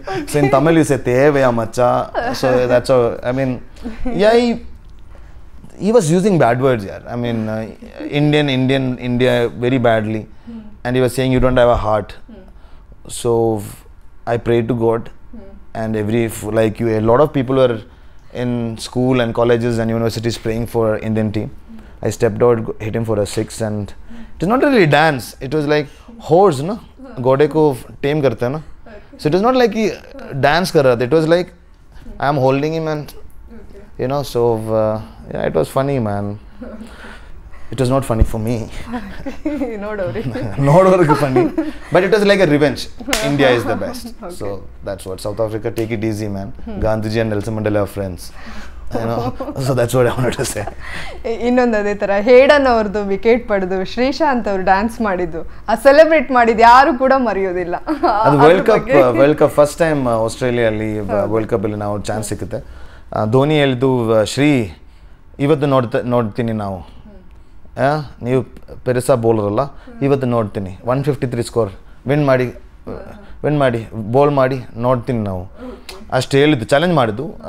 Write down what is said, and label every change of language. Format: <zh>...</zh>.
<en>so in Tamil you say</en> <ta>ತೇವೆಯ ಮಚ್ಚ.</ta> <en>So that's I mean I he was using bad words ಯಾರ್. I mean Indian India very badly and you was saying you don't have a heart. So I prayed to God and every like you, a lot of people were in school and colleges and universities praying for Indian team. I stepped out, hit him for a six, and it is not really dance, it was like horse na</en> <hi>gode ko tame karta na.</hi> <en>So it is not like he dance</en> <hi>kar raha,</hi> <en>it was like I am holding him and you know. So yeah, it was funny man. It was not funny for me. not over funny. But it was like a revenge. India is the best. Okay. So that's what. South Africa, take it easy, man. Gandhiji and Nelson Mandela are friends. You know? So that's what I wanted to say.</en> <kn>ಇನ್ನೊಂದು ಅದೇ ಥರ Hayden ಅವ್ರದ್ದು wicket ಪಡೆದು ಶ್ರೀಶಾಂತ್ ಅವರು dance ಮಾಡಿದ್ದು, ಆ celebrate ಮಾಡಿದ್ದು ಯಾರು ಕೂಡ ಮರೆಯೋದಿಲ್ಲ. ಅದು world cup first time ಆಸ್ಟ್ರೇಲಿಯಲ್ಲಿ world ಕಪ್ಪಲ್ಲಿ ನಾವು ಚಾನ್ಸ್ ಸಿಕ್ಕುತ್ತೆ. ಧೋನಿ ಹೇಳಿದ್ದು, ಶ್ರೀ ಇವತ್ತು ನೋಡ್ತೀನಿ ನಾವು, ನೀವು ಪೆರಿಸಾ ಬೌಲರ್ ಅಲ್ಲ, ಇವತ್ತು ನೋಡ್ತೀನಿ 153 ಸ್ಕೋರ್ ವಿನ್ ಮಾಡಿ ಬೌಲ್ ಮಾಡಿ ನೋಡ್ತೀನಿ ನಾವು, ಅಷ್ಟು ಹೇಳಿದ್ದು ಚಾಲೆಂಜ್ ಮಾಡಿದ್ದು.</kn>